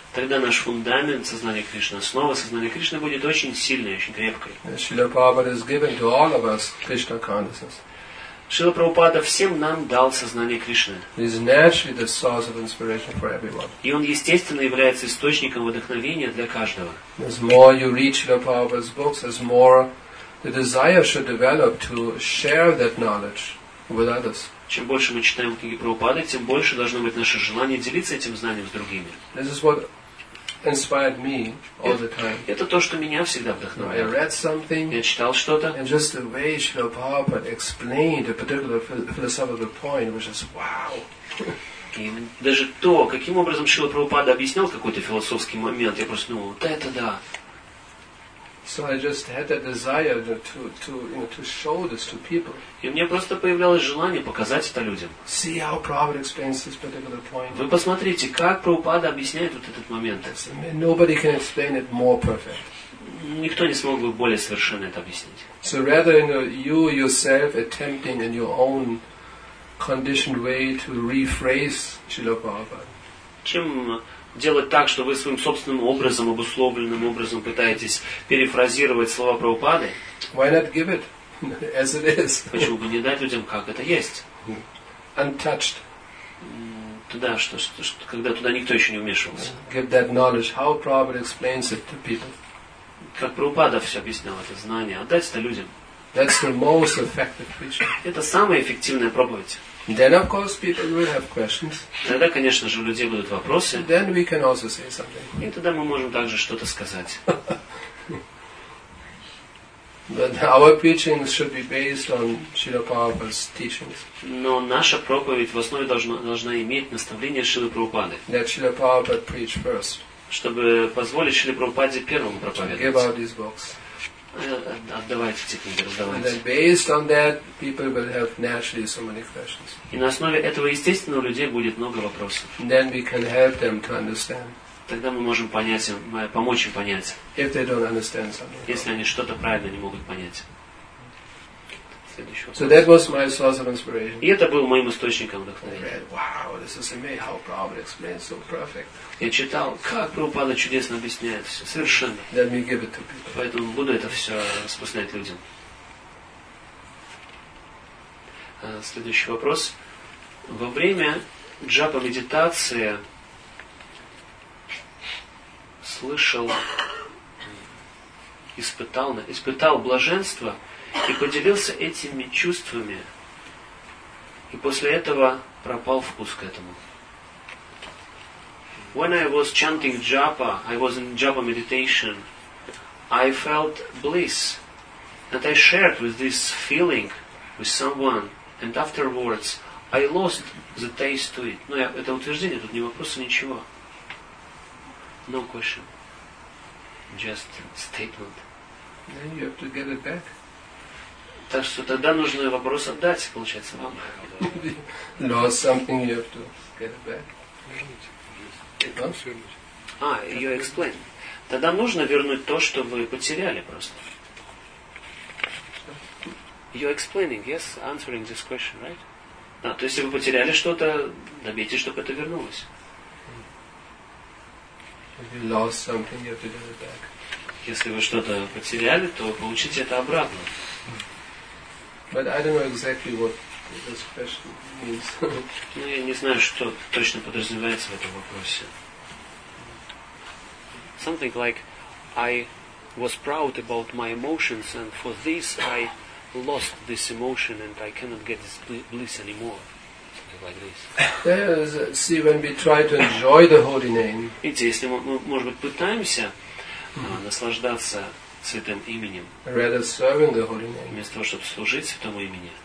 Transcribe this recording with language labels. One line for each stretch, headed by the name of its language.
Russian: Тогда наш фундамент сознания Кришны, основа сознания Кришны будет очень сильной, очень крепкой.
English: Srila Prabhupada has given to all of us Krishna consciousness.
Russian: Шрила Прабхупада всем нам дал сознание Кришны.
English: He is naturally the source of inspiration for everyone.
Russian: И он естественно является источником вдохновения для каждого.
English: As more you read Шрила Прабхупада's books, as more the desire should develop to share that knowledge with others.
Russian: Чем больше мы читаем книги Прабхупады, тем больше должно быть наше желание делиться этим знанием с другими.
English: This is what inspired me all the time.
Russian: Это то, что меня всегда вдохновляло.
English: I read something.
Russian: Я читал что-то.
English: And just the way Srila Prabhupada explained a particular philosophical point was just wow.
Russian: И даже то, каким образом Шрила Прабхупада объяснял какой-то философский момент, я просто думал, вот это да.
English: So I just had that desire to show this to people.
Russian: И мне просто появлялось желание показать это людям.
English: See how Prabhupada explains this particular point.
Russian: Вы посмотрите, как Прабхупада объясняет вот этот момент.
English: Nobody can explain it more perfect.
Russian: Никто не смог бы более совершенно это объяснить.
English: So rather than you yourself attempting in your own conditioned way to rephrase Srila Prabhupada.
Russian: Чем делать так, что вы своим собственным образом, обусловленным образом пытаетесь перефразировать слова Прабхупады?
English: Why not give it as it is?
Russian: Почему бы не дать людям, как это есть?
English: Untouched.
Russian: Туда, что, когда туда никто еще не вмешивался.
English: Give that knowledge, how Prabhupada explains it to people.
Russian: Как Прабхупада все объяснял это знание, отдать это людям.
English: That's the most effective preaching.
Russian: Это самая эффективная проповедь.
English: Then of course people will have questions.
Russian: Тогда, конечно же, у людей будут вопросы.
English: Then we can also say something.
Russian: И тогда мы можем также что-то сказать.
English: But our preachings should be based on Srila Prabhupada's teachings.
Russian: Но наша проповедь в основе должна иметь наставление Шрилы Прабхупады.
English: That Srila Prabhupada preach first.
Russian: Чтобы позволить Шриле Прабхупаде первому проповедовать.
English: Give out these books.
Russian: Отдавайте эти книги, раздавайте.
English: And then based on that, people will have naturally so many questions.
Russian: И на основе этого, естественно, у людей будет много вопросов.
English: Then we can help them to understand.
Russian: Тогда мы можем понять им, помочь им понять.
English: If they don't understand something.
Russian: Если они что-то правильно не могут понять.
English: So that was my source of inspiration.
Russian: И это был моим источником вдохновения.
English: Read, wow, this is amazing how Prabhupada explains so perfect.
Russian: Я читал, как Прабхупада чудесно объясняет все, совершенно.
English: Let me give it to people.
Russian: Поэтому буду это все распространять людям. Следующий вопрос. Во время джапа медитации испытал блаженство и поделился этими чувствами, и после этого пропал вкус к этому.
English: When I was chanting japa, I was in japa meditation, I felt bliss, and I shared with this feeling with someone, and afterwards I lost the taste to it.
Russian: Ну, это утверждение, тут не вопрос, ничего.
English: No question. Just statement. Then you have to get it back.
Russian: Так что тогда нужно вопрос отдать, получается, вам.
English: Lost something, you have to get it back. You explain.
Russian: Тогда нужно вернуть то, что вы потеряли просто.
English: You're explaining, yes, answering this question, right?
Russian: Да, то есть, если вы потеряли что-то, добейтесь, чтобы это вернулось.
English: If you lost something, you have to get it back.
Russian: Если вы что-то потеряли, то получите это обратно.
English: But I don't know exactly what this question means.
Russian: Ну, я не знаю, что точно подразумевается в этом вопросе.
English: Something like, I was proud about my emotions, and for this I lost this emotion, and I cannot get this bliss anymore. Something like this. Yes, see, when we try to enjoy the holy name.
Russian: Видите, если мы, может быть, пытаемся наслаждаться святым именем,
English: rather serving the holy name,
Russian: вместо того, чтобы служить святому имени,